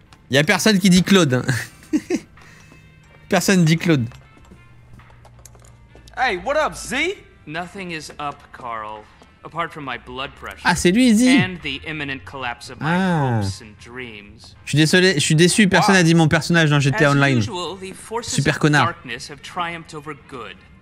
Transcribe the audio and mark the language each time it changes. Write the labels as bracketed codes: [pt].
[fr] Il n'y a personne qui dit Claude. Hein. Personne dit Claude. [en] Hey, what up, Z? Nothing is up, Carl, apart from my blood pressure. [fr] Ah, c'est lui, Izzy. [en] And the imminent collapse of my hopes and dreams. [fr] Je suis déçu, personne n'a dit mon personnage dans GTA Online. [en] As usual, the forces of darkness have triumphed over good.